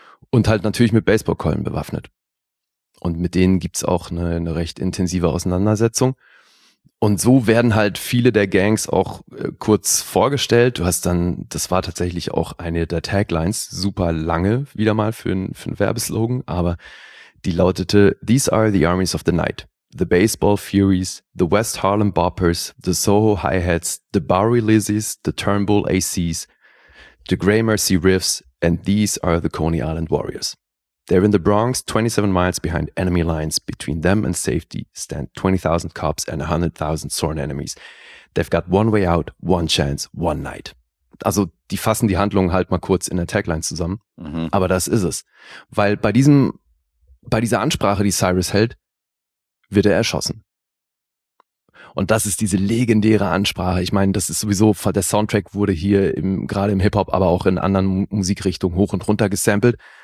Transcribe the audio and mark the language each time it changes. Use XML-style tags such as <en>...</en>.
<de>Und halt natürlich mit Baseballkeulen bewaffnet. Und mit denen gibt's auch eine recht intensive Auseinandersetzung. Und so werden halt viele der Gangs auch kurz vorgestellt. Du hast dann, das war tatsächlich auch eine der Taglines, super lange wieder mal für einen Werbeslogan, aber die lautete,</de> <en>"These are the armies of the night. The Baseball Furies, the West Harlem Boppers, the Soho Hi-Hats, the Bowery Lizzies, the Turnbull ACs, the Gramercy Riffs, and these are the Coney Island Warriors. They're in the Bronx, 27 miles behind enemy lines. Between them and safety stand 20,000 cops and 100,000 sworn enemies. They've got one way out, one chance, one night."</en> <de>Also die fassen die Handlung halt mal kurz in der Tagline zusammen. Mhm. Aber das ist es. Weil bei dieser Ansprache, die Cyrus hält, wird er erschossen. Und das ist diese legendäre Ansprache. Ich meine, das ist sowieso, der Soundtrack wurde hier gerade im Hip-Hop, aber auch in anderen Musikrichtungen hoch und runter gesampelt.</de>